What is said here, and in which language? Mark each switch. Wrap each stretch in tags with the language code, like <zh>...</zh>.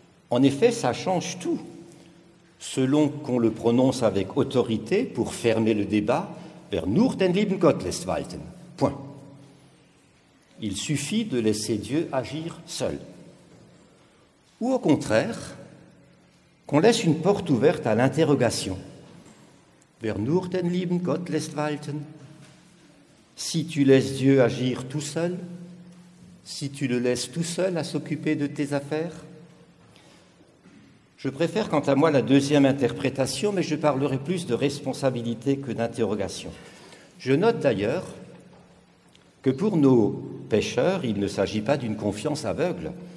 <fr>En effet, ça change tout, selon qu'on le prononce avec autorité pour fermer le débat «</fr> <de>Wer nur den lieben Gott lässt walten</de> <fr>» point. Il suffit de laisser Dieu agir seul. Ou au contraire, qu'on laisse une porte ouverte à l'interrogation.</fr> <de>« Wer nur den lieben Gott lässt walten ?»</de> <fr>Si tu laisses Dieu agir tout seul, si tu le laisses tout seul à s'occuper de tes affaires. Je préfère quant à moi la deuxième interprétation, mais je parlerai plus de responsabilité que d'interrogation. Je note d'ailleurs que pour nos pêcheurs, il ne s'agit pas d'une confiance aveugle.</fr>